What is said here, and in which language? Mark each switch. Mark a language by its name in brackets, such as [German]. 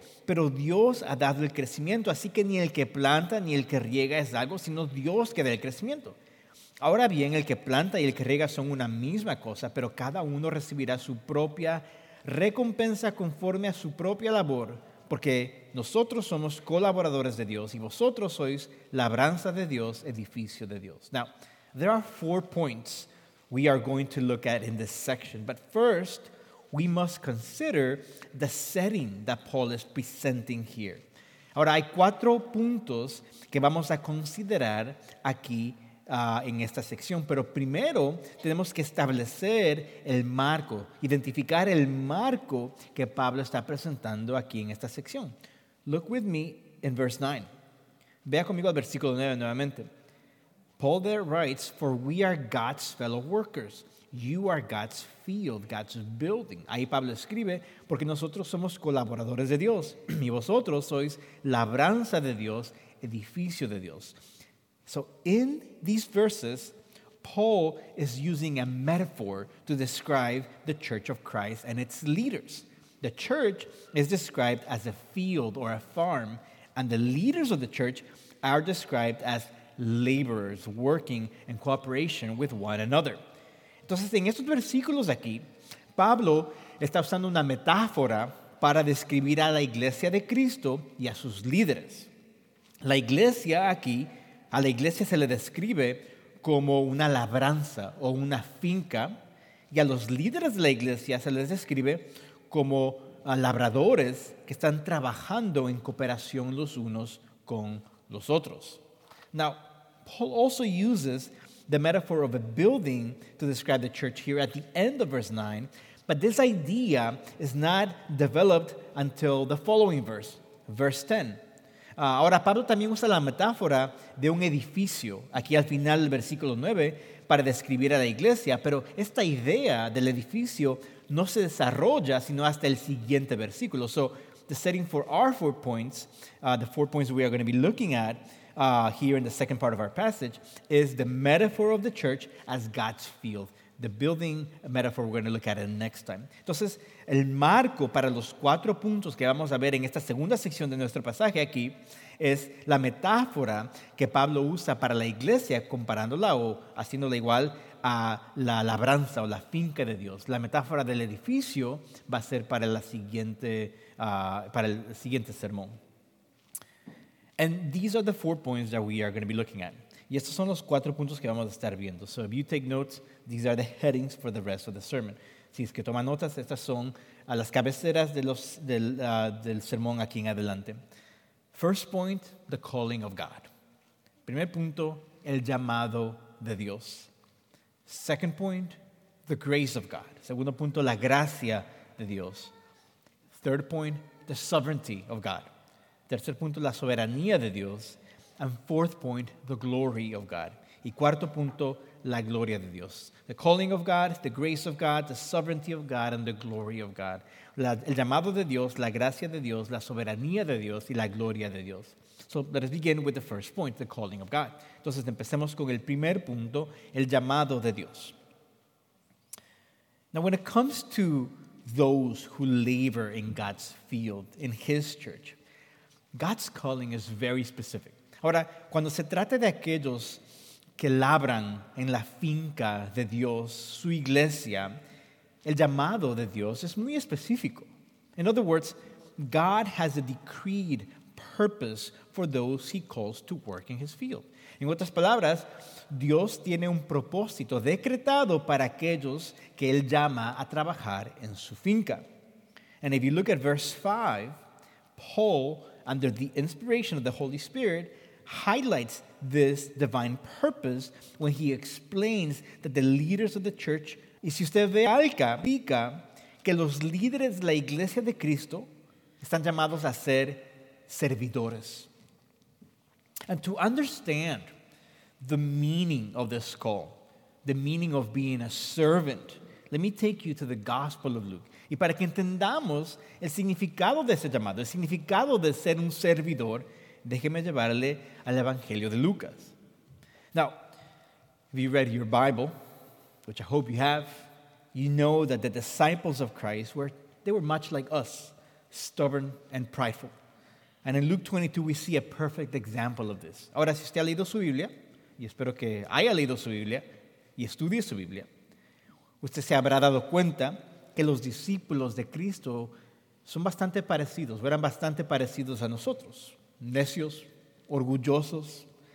[Spanish] Pero Dios ha dado el crecimiento, así que ni el que planta ni el que riega es algo, sino Dios que da el crecimiento. Ahora bien, el que planta y el que riega son una misma cosa, pero cada uno recibirá su propia recompensa conforme a su propia labor, porque nosotros somos colaboradores de Dios y vosotros sois labranza de Dios, edificio de Dios. [English] Now, there are four points we are going to look at in this section, but first, we must consider the setting that Paul is presenting here. [Spanish] Ahora, hay cuatro puntos que vamos a considerar aquí en esta sección. Pero primero, tenemos que establecer el marco, identificar el marco que Pablo está presentando aquí en esta sección. [English] Look with me in verse 9. [Spanish] Vea conmigo al versículo 9 nuevamente. [English] Paul there writes, "For we are God's fellow workers." You are God's field, God's building. [Spanish] Ahí Pablo escribe, porque nosotros somos colaboradores de Dios y vosotros sois labranza de Dios, edificio de Dios. [English] So in these verses, Paul is using a metaphor to describe the church of Christ and its leaders. The church is described as a field or a farm, and the leaders of the church are described as laborers working in cooperation with one another. [Spanish] Entonces, en estos versículos aquí, Pablo está usando una metáfora para describir a la iglesia de Cristo y a sus líderes. La iglesia aquí, a la iglesia se le describe como una labranza o una finca, y a los líderes de la iglesia se les describe como labradores que están trabajando en cooperación los unos con los otros. [English] Now, Paul also uses the metaphor of a building to describe the church here at the end of verse 9, but this idea is not developed until the following verse, verse 10. [Spanish] Ahora, Pablo también usa la metáfora de un edificio aquí al final del versículo 9 para describir a la iglesia, pero esta idea del edificio no se desarrolla sino hasta el siguiente versículo. [English] So, the setting for our four points, the four points we are going to be looking at, here in the second part of our passage, is the metaphor of the church as God's field. The building metaphor we're going to look at it next time. [Spanish] Entonces, el marco para los cuatro puntos que vamos a ver en esta segunda sección de nuestro pasaje aquí es la metáfora que Pablo usa para la iglesia comparándola o haciéndola igual a la labranza o la finca de Dios. La metáfora del edificio va a ser para la siguiente, para el siguiente sermón. [English] And these are the four points that we are going to be looking at. [Spanish] Y estos son los cuatro puntos que vamos a estar viendo. [English] So if you take notes, these are the headings for the rest of the sermon. [Spanish] Si es que toma notas, estas son las cabeceras de los, del sermón aquí en adelante. [English] First point, the calling of God. [Spanish] Primer punto, el llamado de Dios. [English] Second point, the grace of God. [Spanish] Segundo punto, la gracia de Dios. [English] Third point, the sovereignty of God. [Spanish] Tercer punto, la soberanía de Dios. [English] And fourth point, the glory of God. [Spanish] Y cuarto punto, la gloria de Dios. [English] The calling of God, the grace of God, the sovereignty of God, and the glory of God. [Spanish] El llamado de Dios, la gracia de Dios, la soberanía de Dios, y la gloria de Dios. [English] So let us begin with the first point, the calling of God. [Spanish] Entonces empecemos con el primer punto, el llamado de Dios. [English] Now when it comes to those who labor in God's field, in His church, God's calling is very specific. [Spanish] Ahora, cuando se trata de aquellos que labran en la finca de Dios, su iglesia, el llamado de Dios es muy específico. [English] In other words, God has a decreed purpose for those He calls to work in His field. [Spanish] En otras palabras, Dios tiene un propósito decretado para aquellos que Él llama a trabajar en su finca. [English] And if you look at verse 5, Paul, under the inspiration of the Holy Spirit, highlights this divine purpose when he explains that the leaders of the church, [Spanish] y si usted ve acá, indica que los líderes de la iglesia de Cristo están llamados a ser servidores. [English] And to understand the meaning of this call, the meaning of being a servant. Let me take you to the Gospel of Luke. [Spanish] Y para que entendamos el significado de ese llamado, el significado de ser un servidor, déjeme llevarle al Evangelio de Lucas. [English] Now, if you read your Bible, which I hope you have, you know that the disciples of Christ were, they were much like us, stubborn and prideful. And in Luke 22, we see a perfect example of this. [Spanish] Ahora, si usted ha leído su Biblia, y espero que haya leído su Biblia, y estudie su Biblia, usted se habrá dado cuenta que los discípulos de Cristo son bastante parecidos, eran bastante parecidos a nosotros, necios, orgullosos.